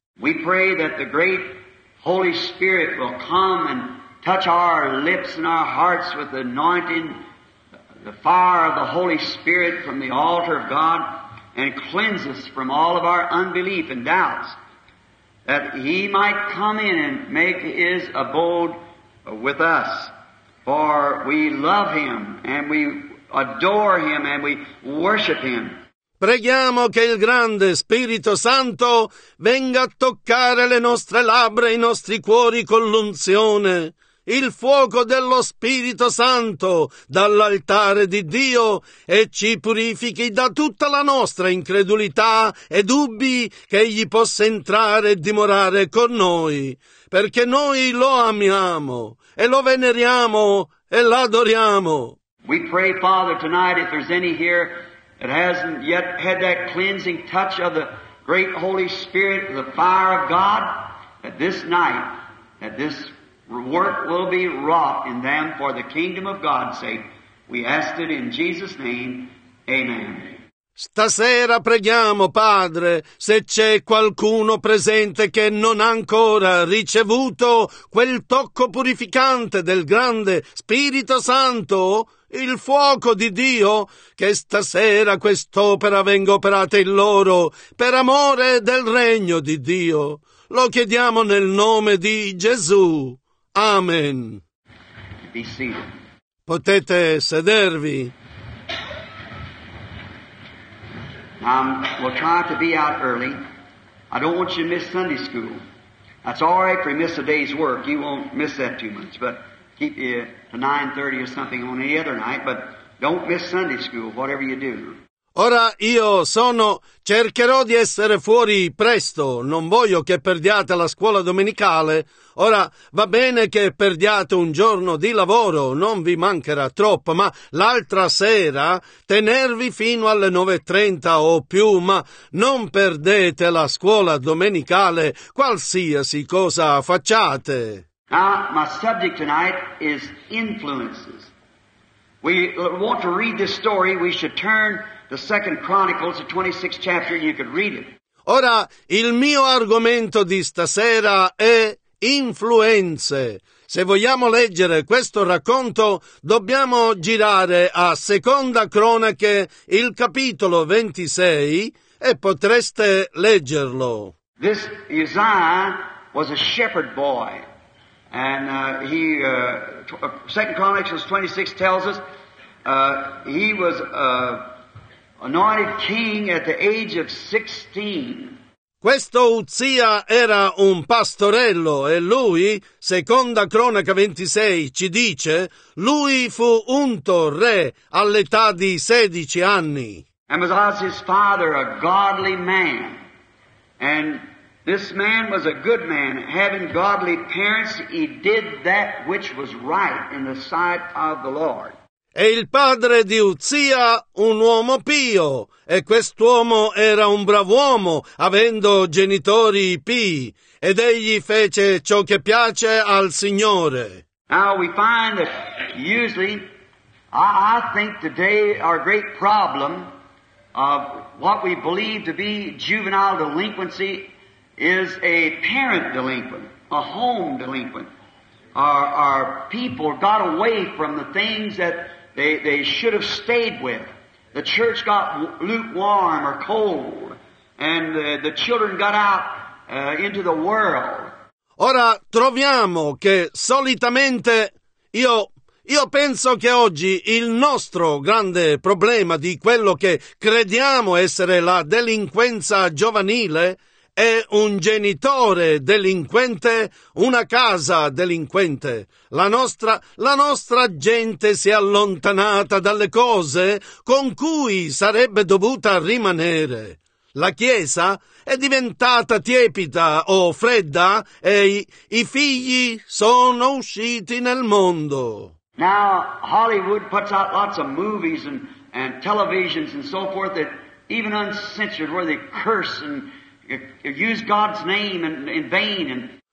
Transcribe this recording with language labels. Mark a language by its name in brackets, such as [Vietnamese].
[English] We pray that the great Holy Spirit will come and touch our lips and our hearts with the anointing, the fire of the Holy Spirit from the altar of God, and cleanse us from all of our unbelief and doubts, that He might come in and make His abode with us. For we love Him, and we adore Him, and we worship Him. [Italian] Preghiamo che il grande Spirito Santo venga a toccare le nostre labbra e i nostri cuori con l'unzione. Il fuoco dello Spirito Santo dall'altare di Dio e ci purifichi da tutta la nostra incredulità e dubbi che Egli possa entrare e dimorare con noi, perché noi lo amiamo e lo veneriamo e l'adoriamo. [English] We pray, Father, tonight if there's any here that hasn't yet had that cleansing touch of the great Holy Spirit, the fire of God, that this night, that this work will be wrought in them for the kingdom of God's sake. We ask it in Jesus' name. Amen. [Italian] Stasera preghiamo, Padre, se c'è qualcuno presente che non ha ancora ricevuto quel tocco purificante del grande Spirito Santo, il fuoco di Dio, che stasera quest'opera venga operata in loro per amore del regno di Dio. Lo chiediamo nel nome di Gesù. Amen. [English] Be seated. [Italian] Potete sedervi. [English] We'll try to be out early. I don't want you to miss Sunday school. That's all right if you miss a day's work. You won't miss that too much. But keep you to 9:30 or something on any other night. But don't miss Sunday school, whatever you do. [Italian] Ora io sono, cercherò di essere fuori presto, non voglio che perdiate la scuola domenicale. Ora va bene che perdiate un giorno di lavoro, non vi mancherà troppo, ma l'altra sera tenervi fino alle 9:30 o più, ma non perdete la scuola domenicale, qualsiasi cosa facciate. [English] Now, my subject tonight is influences. We want to read this story, we should turn the Second Chronicles, the 26th chapter, you could read it. [Italian] Ora, il mio argomento di stasera è influenze. Se vogliamo leggere questo racconto, dobbiamo girare a Seconda Cronache, il capitolo 26, e potreste leggerlo. [English] This Uzziah was a shepherd boy. And Second Chronicles 26 tells us he was anointed king at the age of 16. [Italian] Questo Uzzia era un pastorello e lui, Seconda Cronaca 26 ci dice, lui fu unto re all'età di 16 anni. [English] And was his father a godly man. And this man was a good man, having godly parents, he did that which was right in the sight of the Lord. [Italian] E il padre di Uzzia, un uomo pio, e quest'uomo era un brav'uomo, avendo genitori pii, ed egli fece ciò che piace al Signore. [English] Now we find that usually I think today our great problem of what we believe to be juvenile delinquency is a parent delinquent, a home delinquent. Our people got away from the things that they should have stayed with. The church got lukewarm or cold, and the children got out into the world. [Italian] Ora troviamo che solitamente io penso che oggi il nostro grande problema di quello che crediamo essere la delinquenza giovanile è un genitore delinquente, una casa delinquente. La nostra gente si è allontanata dalle cose con cui sarebbe dovuta rimanere. La Chiesa è diventata tiepida o fredda e i figli sono usciti nel mondo. [English] Now Hollywood puts out lots of movies and televisions and so forth that even uncensored where they curse and use God's name in vain.